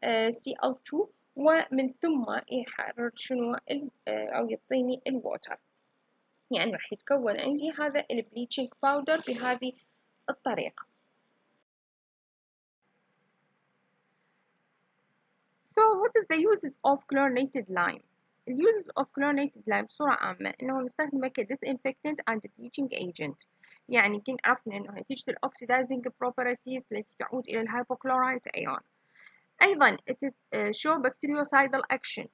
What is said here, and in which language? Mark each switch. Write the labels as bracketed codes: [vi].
[ar] Cl2 ومن ثم يحرر شنو او يعطيني الووتر يعني راح يتكون عندي هذا البليتشينج باودر بهذه الطريقه. [en] So what is the uses of chlorinated lime? The uses of chlorinated lime [ar] بصورة عامة إنه نستخدم [en] كdisinfectant and bleaching agent. [ar] يعني كن عرفنا إنه نتيجة [en] the oxidizing properties [ar] التي تعود إلى الهايبوكلورايت أيون. [en] أيضا it is show bactericidal action.